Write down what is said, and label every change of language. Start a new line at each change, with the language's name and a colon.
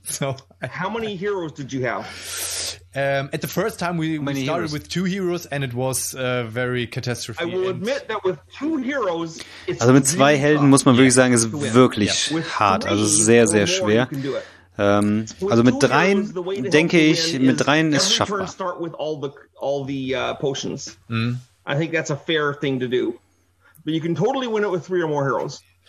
English: So, how many heroes did you have? At the first time we started heroes? With two heroes and it was very catastrophic. I will admit that with two heroes,
German: also mit zwei Helden muss man wirklich sagen, ist wirklich hart, also sehr sehr schwer. Also mit dreien, denke ich, mit dreien ist schaffbar.
English: Start with all the potions. Mm. I think that's a fair thing to do. But you can totally win it with three or more heroes.